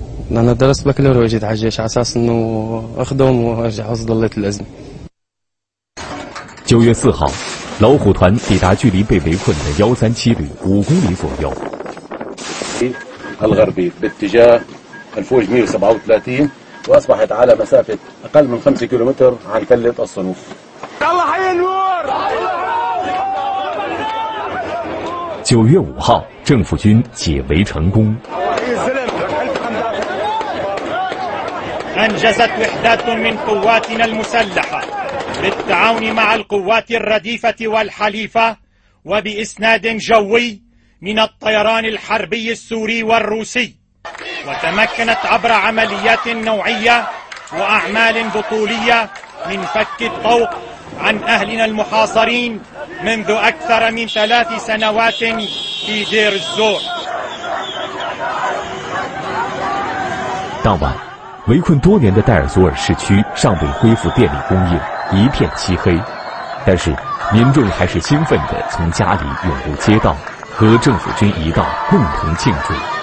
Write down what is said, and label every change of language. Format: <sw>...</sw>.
<ar>لأن درست بكالوريا وجيت على الجيش على أساس إنه أخدم وأرجع وظلت الأزمة.</ar> <zh>9月4号，老虎团抵达距离被围困的137旅5公里左右。</zh> <ar>الغربي باتجاه الفوج 137 وأصبحت على مسافة أقل من 5 كيلومتر عن كلة الصنوف. الله حي النور.</ar> <zh>9月5号，政府军解围成功。</zh> <ar>أنجزت وحدات من قواتنا المسلحة بالتعاون مع القوات الرديفة والحليفة وبإسناد جوي من الطيران الحربي السوري والروسي وتمكنت عبر عمليات نوعية وأعمال بطولية من فك الطوق عن أهلنا المحاصرين منذ أكثر من 3 سنوات في دير الزور.</ar> <zh>当晚围困多年的戴尔佐尔市区尚未恢复电力供应，一片漆黑，但是民众还是兴奋地从家里涌入街道，和政府军一道共同庆祝。</zh>